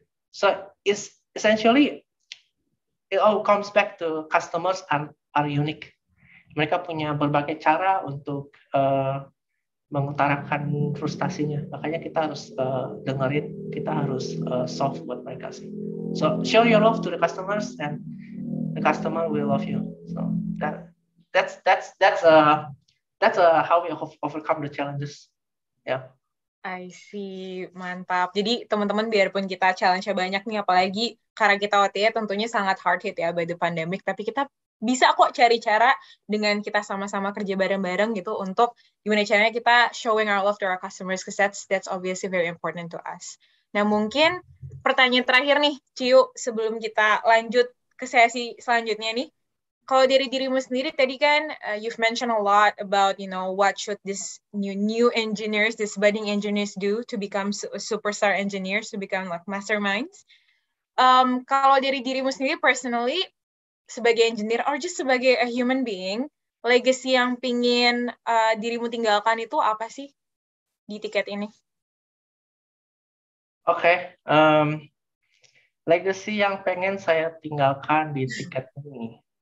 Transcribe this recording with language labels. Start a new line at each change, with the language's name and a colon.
English: So it's essentially it all comes back to customers are unique.
Indonesian: Mereka punya berbagai cara untuk mengutarakan frustasinya. Makanya kita harus dengerin, kita harus solve buat mereka sih.
English: So show your love to the customers and the customer will love you. So that's how we overcome the challenges. Yeah.
Indonesian: I see, mantap. Jadi teman-teman, biarpun kita challenge-nya banyak nih, apalagi karena kita OTA tentunya sangat hard hit ya
English: by the pandemic,
Indonesian: tapi kita bisa kok cari cara dengan kita sama-sama kerja bareng-bareng gitu untuk gimana caranya kita
English: showing our love to our customers, because that's obviously very important to us.
Indonesian: Nah, mungkin pertanyaan terakhir nih, Ciu, sebelum kita lanjut ke sesi selanjutnya nih. Kalau dari dirimu sendiri, tadi kan
English: you've mentioned a lot about, you know, what should this new engineers, this budding engineers do to become superstar engineers, to become like masterminds.
Indonesian: Kalau dari dirimu sendiri personally, sebagai engineer or just sebagai
English: a human being,
Indonesian: legacy yang pingin dirimu tinggalkan itu apa sih di tiket ini? Okay. Legacy yang pengen saya tinggalkan di tiket ini.